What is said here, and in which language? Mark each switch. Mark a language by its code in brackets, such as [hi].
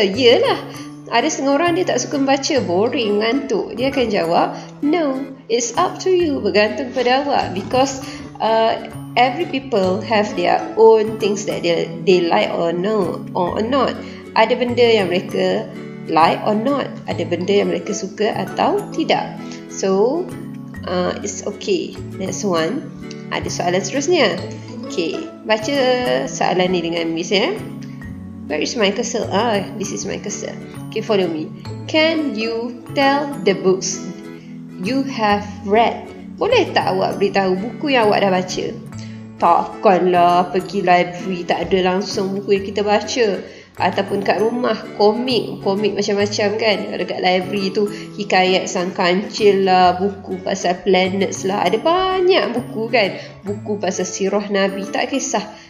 [ms] Yelah, ada setengah orang dia tak suka membaca, boring, ngantuk. Dia akan jawab [en] no, it's up to you, [ms] bergantung kepada awak. [en] Because every people have their own things that they like or no or not. [ms] Ada benda yang mereka [en] like or not, [ms] ada benda yang mereka suka atau tidak. [en] So it's okay. Next one, [ms] ada soalan seterusnya. [en] Okay, [ms] baca soalan ni dengan Miss ya. [en] Where is my cursor? This is my cursor. Okay, follow me. Can you tell the books you have read? [ms] Boleh tak awak beritahu buku yang awak dah baca? Takkanlah pergi library, tak ada langsung buku yang kita baca. Ataupun kat rumah, komik macam-macam kan. Kalau kat library tu, Hikayat Sang Kancil lah, buku pasal planets lah, ada banyak buku kan, buku pasal sirah Nabi, tak kisah.